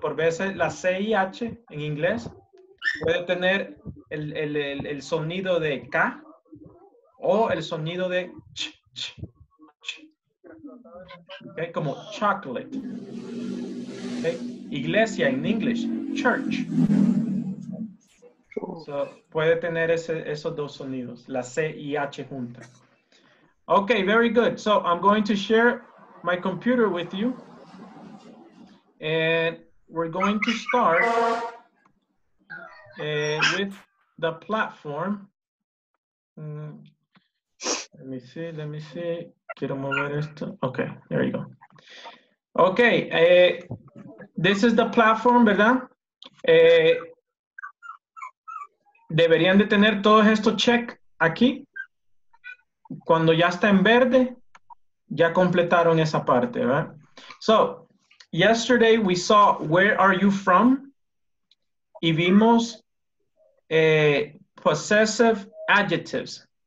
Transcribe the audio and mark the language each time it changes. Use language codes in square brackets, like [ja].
[es] Por veces la C y H en inglés puede tener el sonido de K o el sonido de ch, ch, ch. Okay, como chocolate. Okay. Iglesia en inglés, church. So, puede tener esos dos sonidos, la C y H juntas. [en] Okay, very good. So I'm going to share my computer with you. And we're going to start with the platform. Let me see. [es] Quiero mover esto. [en] Okay, there you go. Okay, this is the platform, ¿verdad? [es] Deberían de tener todos estos check aquí. Cuando ya está en verde, ya completaron esa parte, ¿verdad? [en] So, yesterday we saw where are you from, [es] y vimos [en] possessive adjectives.